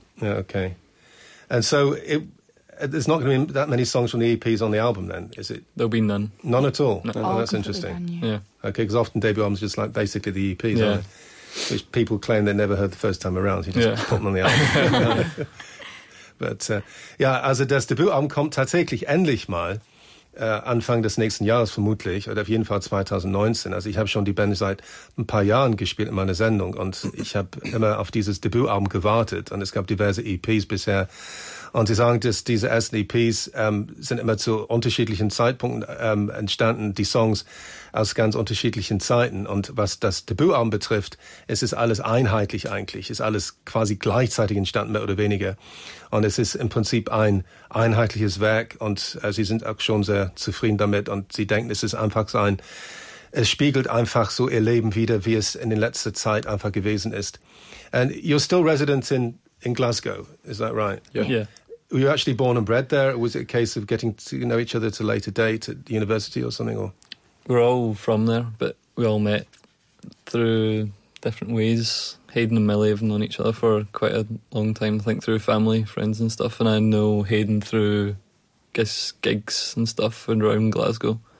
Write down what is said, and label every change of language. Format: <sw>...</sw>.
<en>Yeah, okay. And so there's not going to be that many songs from the EPs on the album then, is it? There'll be none. None at all? No. Oh, that's interesting. Yeah. Okay, because often debut albums are just like basically the EPs, aren't they? Which people claim they never heard the first time around. You just put them on the album.</en> <de>Also das Debütalbum kommt tatsächlich endlich mal Anfang des nächsten Jahres vermutlich, oder auf jeden Fall 2019. Also ich habe schon die Band seit ein paar Jahren gespielt in meiner Sendung und ich habe immer auf dieses Debütalbum gewartet und es gab diverse EPs bisher. Und sie sagen, dass diese ersten EPs sind immer zu unterschiedlichen Zeitpunkten entstanden, die Songs aus ganz unterschiedlichen Zeiten. Und was das Debütalbum betrifft, es ist alles einheitlich eigentlich. Es ist alles quasi gleichzeitig entstanden, mehr oder weniger. Und es ist im Prinzip ein einheitliches Werk und sie sind auch schon sehr zufrieden damit. Und sie denken, es ist einfach so ein, es spiegelt einfach so ihr Leben wieder, wie es in der letzten Zeit einfach gewesen ist.</de> <en>And you're still resident in Glasgow, is that right? Yeah. Were you actually born and bred there? Or was it a case of getting to know each other at a later date at university or something? Or we're all from there, but we all met through different ways. Hayden and Millie have known each other for quite a long time, I think, through family, friends and stuff. And I know Hayden through, I guess, gigs and stuff around Glasgow.</en>